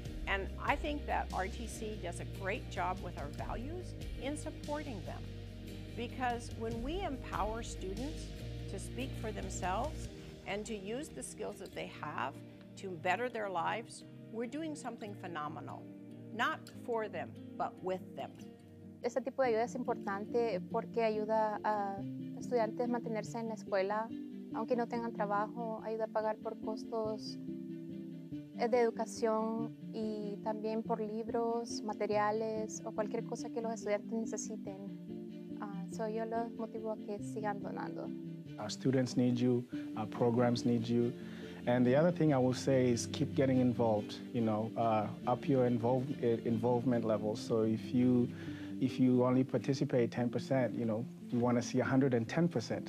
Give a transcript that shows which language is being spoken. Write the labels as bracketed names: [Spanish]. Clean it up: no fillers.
[English] And I think that RTC does a great job with our values in supporting them. Because when we empower students to speak for themselves and to use the skills that they have to better their lives, we're doing something phenomenal. Not for them, but with them. [Spanish] Este tipo de ayuda es importante porque ayuda a estudiantes a mantenerse en la escuela. Aunque no tengan trabajo, ayuda a pagar por costos de educación y también por libros, materiales o cualquier cosa que los estudiantes necesiten. So yo los motivo a que sigan donando. [English] Our students need you, our programs need you. And the other thing I will say is keep getting involved, you know, up your involvement level. So if you only participate 10%, you know, you want to see 110%.